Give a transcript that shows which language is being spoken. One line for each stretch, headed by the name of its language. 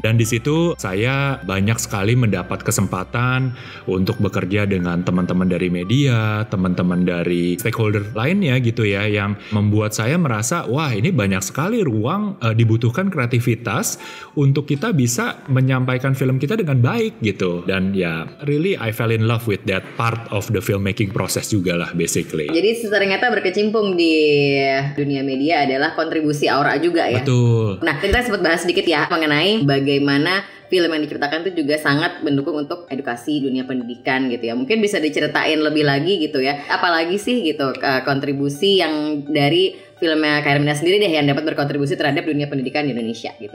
Indonesian: Dan di situ saya banyak sekali mendapat kesempatan untuk bekerja dengan teman-teman dari media, teman-teman dari stakeholder lainnya gitu ya, yang membuat saya merasa, wah ini banyak sekali ruang dibutuhkan kreativitas untuk kita bisa menyampaikan film kita dengan baik gitu.
English: Dan ya, really I fell in love with that part of the filmmaking
Indonesian: proses juga lah
English: basically.
Indonesian: Jadi ternyata berkecimpung di dunia media adalah kontribusi Aoura juga ya. Betul. Nah kita sempat bahas sedikit ya mengenai bagaimana film yang diciptakan itu juga sangat mendukung untuk edukasi dunia pendidikan gitu ya. Mungkin bisa diceritain lebih lagi gitu ya. Apalagi sih gitu kontribusi yang dari filmnya Hermina sendiri deh yang dapat berkontribusi terhadap dunia pendidikan di Indonesia gitu.